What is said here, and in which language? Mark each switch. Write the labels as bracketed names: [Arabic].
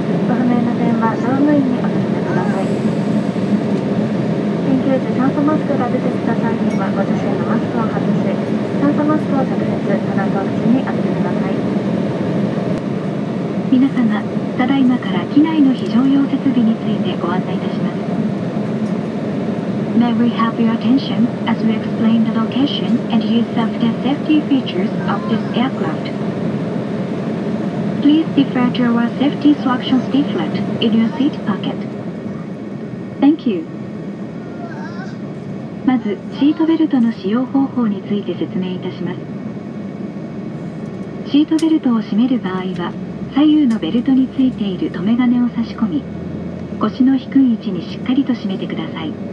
[Japanese] ご不明な点は乗務員にお尋ねください。緊急時酸素マスクが出てきた際にはご自身のマスクを外し、酸素マスクを着用鼻と口に当ててください。皆様ただいまから機内の非常用設備についてご案内いたします。 [English] May we have your attention as we explain the location and use of the safety features of this aircraft. Please defer to your safety instructions leaflet in your seat pocket. Thank you. [Japanese] まずシートベルトの使用方法について説明いたします。シートベルトを締める場合は左右のベルトについている留め金を差し込み、腰の低い位置にしっかりと締めてください。